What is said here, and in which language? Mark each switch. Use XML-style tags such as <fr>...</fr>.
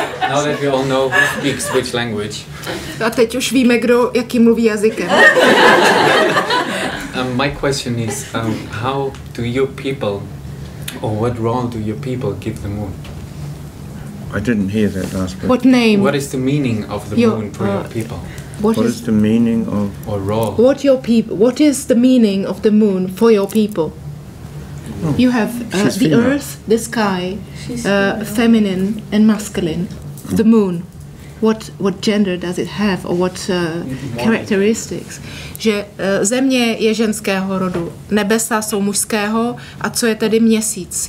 <en>Now that we all know who speaks which language.</en> <cs>A teď už víme, kdo jaký mluví jazykem.</cs> <en>My question is, how do your people, or what role do your people give the moon? I didn't hear that last bit. What name? What is the meaning of the moon for your people? What is the meaning of or role? What your people? What is the meaning of the moon for your people? Oh, you have the female. Earth, the sky, feminine and masculine. Mm. The moon. What gender does it have or what characteristics?</en> <cs>Že země je ženského rodu, nebesa jsou mužského, a co je tedy měsíc?</cs>